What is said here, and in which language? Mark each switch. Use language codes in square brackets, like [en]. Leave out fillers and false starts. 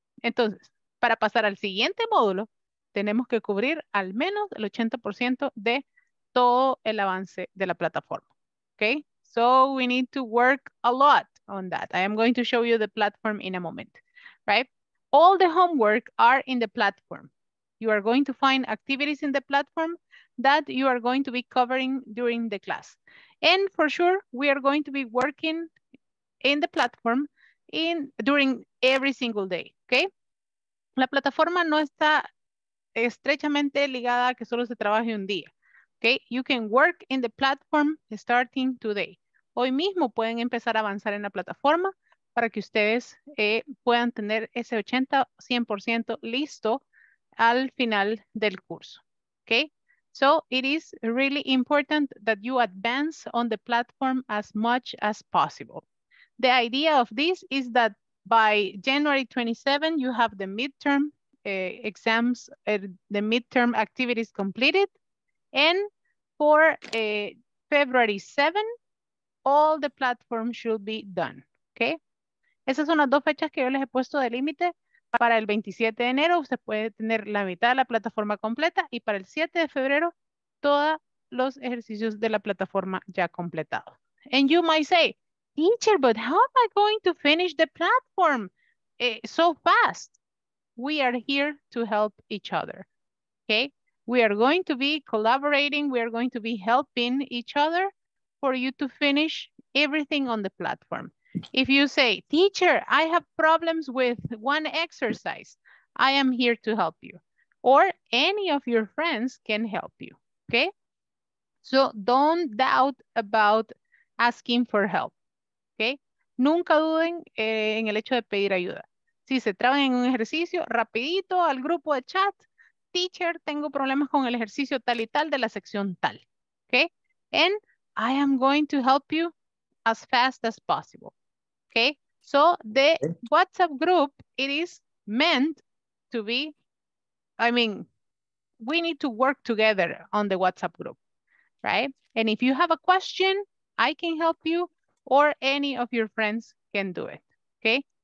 [es] Entonces, para pasar al siguiente módulo, tenemos que cubrir al menos el 80% de todo el avance de la plataforma. [en] Okay? So we need to work a lot on that. I am going to show you the platform in a moment. Right? All the homework are in the platform. You are going to find activities in the platform that you are going to be covering during the class. And for sure, we are going to be working in the platform during every single day, okay? [es] La plataforma no está estrechamente ligada a que solo se trabaje un día. [en] Okay? You can work in the platform starting today. [es] Hoy mismo pueden empezar a avanzar en la plataforma para que ustedes puedan tener ese 80-100% listo al final del curso. [en] Okay? So it is really important that you advance on the platform as much as possible. The idea of this is that by January 27, you have the midterm exams, the midterm activities completed. And for February 7, all the platform should be done. Okay? [es] Esas son las dos fechas que yo les he puesto de límite. Para el 27 de enero, usted puede tener la mitad de la plataforma completa. Y para el 7 de febrero, todos los ejercicios de la plataforma ya completados. [en] And you might say, teacher, but how am I going to finish the platform so fast? We are here to help each other. Okay? We are going to be collaborating. We are going to be helping each other for you to finish everything on the platform. If you say, teacher, I have problems with one exercise, I am here to help you. Or any of your friends can help you, okay? So don't doubt about asking for help, okay? [es] Nunca duden en el hecho de pedir ayuda. Si se traban en un ejercicio, rapidito al grupo de chat, teacher, tengo problemas con el ejercicio tal y tal de la sección tal, okay? [en] And I am going to help you as fast as possible. Okay, so the WhatsApp group, it is meant to be, I mean, we need to work together on the WhatsApp group, right? And if you have a question, I can help you or any of your friends can do it, okay?